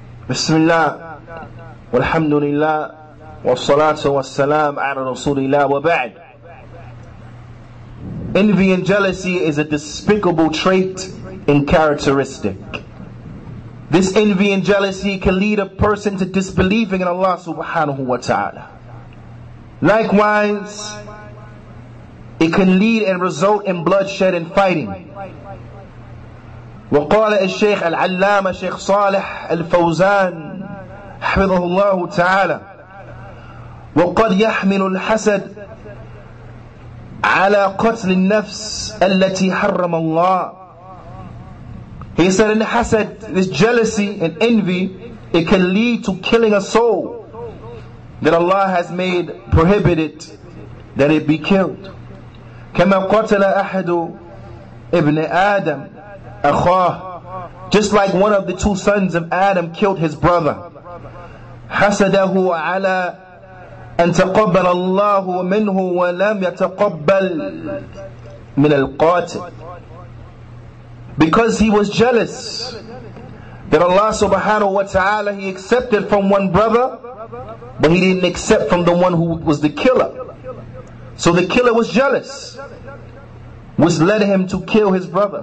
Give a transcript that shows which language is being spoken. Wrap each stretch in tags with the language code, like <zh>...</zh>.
<ar>بسم الله والحمد لله والصلاة والسلام على رسول الله وبعد.</ar> <en>Envy and jealousy is a despicable trait and characteristic. This envy and jealousy can lead a person to disbelieving in Allah subhanahu wa ta'ala. Likewise, It can lead and result in bloodshed and fighting.</en> <ar>وقال الشيخ العلامة الشيخ صالح الفوزان حفظه الله تعالى وقد يحمل الحسد على قتل النفس التي حرم الله.</ar> <en>He said in hasad, this jealousy and envy, it can lead to killing a soul that Allah has made prohibited that it be killed.</en> <ar>كما قتل أحد ابن آدم أخاه.</ar> <en>Just like one of the two sons of Adam killed his brother.</en> <ar>حسده على أن تقبل الله منه ولم يتقبل من القاتل.</ar> <en>Because he was jealous that Allah subhanahu wa ta'ala, he accepted from one brother, but he didn't accept from the one who was the killer. So the killer was jealous, which led him to kill his brother.</en>